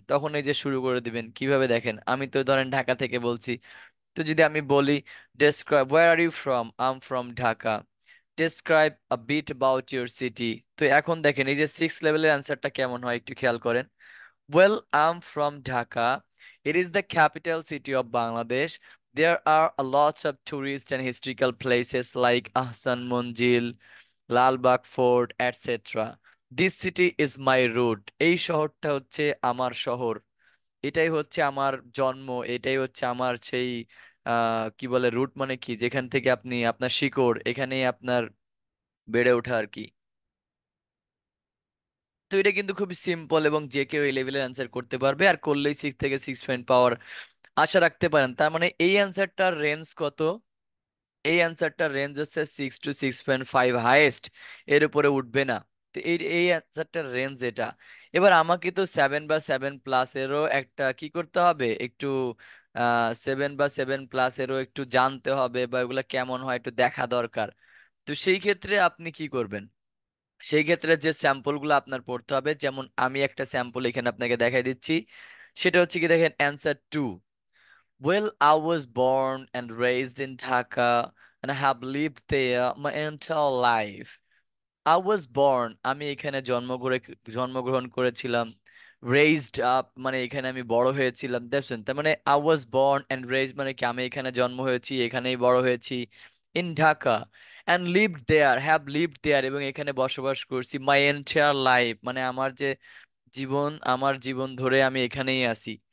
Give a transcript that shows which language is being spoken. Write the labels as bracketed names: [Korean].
[Bangla] তখন এই যে শুরু করে দিবেন কিভাবে, দেখেন আমি তো ধরেন ঢাকা থেকে বলছি, তো যদি আমি বলি [English] Describe where are you from, I am from Dhaka, describe a bit about your city. [Bangla] তো এখন দেখেন এই যে 6 লেভেলের অ্যান্সারটা কেমন হয় একটু খেয়াল করেন, [English] Well I am from Dhaka, it is the capital city of Bangladesh, There are a lot of tourist and historical places like Ahsan Manzil, Lalbagh Fort, etc. This city is my root. [Bangla] এই শহরটা হচ্ছে আমার শহর, এটাই হচ্ছে আমার জন্ম, এটাই হচ্ছে আমার সেই কি বলে রুট মানে কি, যেখান থেকে আপনি আপনার শিকড়, এখানেই আপনার বেড়ে ওঠা আর কি। তো এটা কিন্তু খুব সিম্পল এবং যে কেউ এই লেভেলের অ্যান্সার করতে পারবে, আর করলেই 6 থেকে 6 পয়েন্ট পাওয়ার আশা রাখতে পারেন। তার মানে এই অ্যান্সারটার রেঞ্জ কত? এই অ্যান্সারটার রেঞ্জ হচ্ছে 6 to 6.5, হায়েস্ট, এর উপরে উঠবে না। তো এই এই অ্যান্সারটার রেঞ্জ এটা। এবার আমাকে তো 7 বা 7+ এরও একটা কি করতে হবে, একটু 7 বা 7+ এরও একটু জানতে হবে, বা ওগুলো কেমন হয় একটু দেখা দরকার। তো সেই ক্ষেত্রে আপনি কি করবেন, সেই ক্ষেত্রে যে স্যাম্পলগুলো আপনার পড়তে হবে, যেমন আমি একটা স্যাম্পল এখানে আপনাকে দেখাই দিচ্ছি, সেটা হচ্ছে কি দেখেন, answer 2। [English] Well, I was born and raised in Dhaka and I have lived there my entire life. I was born, [Bangla] আমি এখানে জন্মগ্রহণ করেছিলাম, [English] raised up [Bangla] মানে এখানে আমি বড় হয়েছিলাম, দেখছেন? তার মানে [English] I was born and raised [Bangla] মানে কি, আমি এখানে জন্ম হয়েছি, এখানেই বড় হয়েছি, [English] in Dhaka and lived there, [Bangla] have lived there এবং এখানে বসবাস করছি, [English] my entire life [Bangla] মানে আমার যে জীবন, আমার জীবন ধরে আমি এখানেই আছি।